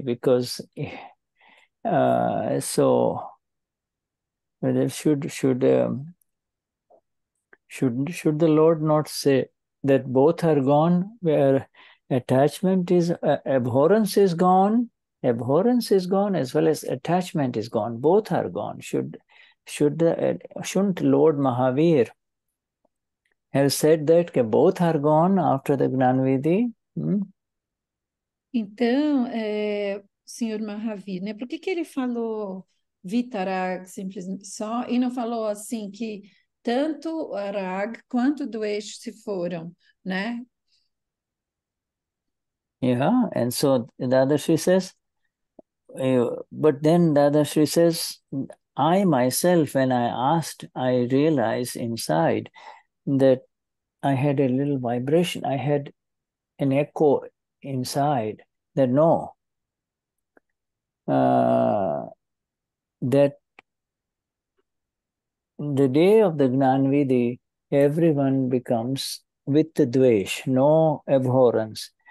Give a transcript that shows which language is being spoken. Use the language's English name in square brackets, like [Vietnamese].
[English] Because, should the Lord not say that both are gone, where attachment is, abhorrence is gone, as well as attachment is gone, both are gone? Shouldn't Lord Mahavir have said that both are gone after the Gnanvidhi? [Portuguese] Então, Senhor Mahavir, né, por que ele falou Vitarag, simplesmente só, e não falou assim que tanto raag quanto dwesh se foram, né? [English] Yeah, and so Dadashri says, but then Dadashri says, I myself, when I asked, I realized inside that I had a little vibration, I had an echo inside that no, that the day of the Gnanvidhi, everyone becomes with the dvesh, no abhorrence.